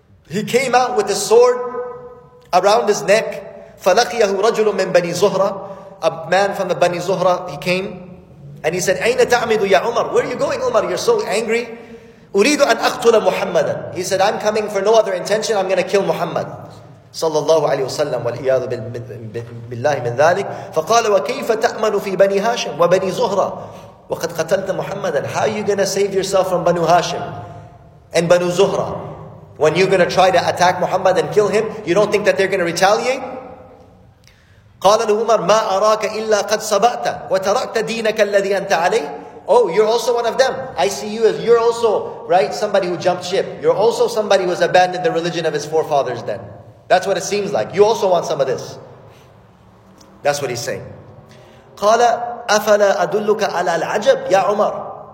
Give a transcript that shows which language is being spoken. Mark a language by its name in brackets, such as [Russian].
[English] He came out with a sword around his neck. [Arabic] فَلَقِيَهُ رَجُلٌ مِّن بَنِي زُهْرَةٍ. [English] A man from the Bani Zuhra, he came. And he said, [Arabic] أَيْنَ تَعْمِدُ يَا عُمَرٍ. [English] Where are you going, Umar? You're so angry. [Arabic] أُرِيدُ أَنْ أَقْتُلَ مُحَمَّدًا. [English] He said, I'm coming for no other intention. I'm going to kill Muhammad. [Arabic] صلى الله عليه وسلم والعياذ بالله من ذلك. فقال وكيف تأمن في بني هاشم وبني زهرة وقد قتلت محمدا. [English] How are you gonna save yourself from Banu Hashim and Banu Zuhra when you're gonna try to attack Muhammad and kill him? You don't think that they're gonna retaliate? [Arabic] قال له عمر ما أراك إلا قد سبأت وتركت دينك الذي أنت عليه. [English] Oh, you're also one of them. I see you as you're also right somebody who jumped ship. You're also somebody who has abandoned the religion of his forefathers then. That's what it seems like. You also want some of this. That's what he's saying. [Arabic] قَالَ أَفَلَا أَدُلُّكَ عَلَى الْعَجَبِ يَا عُمَرُ.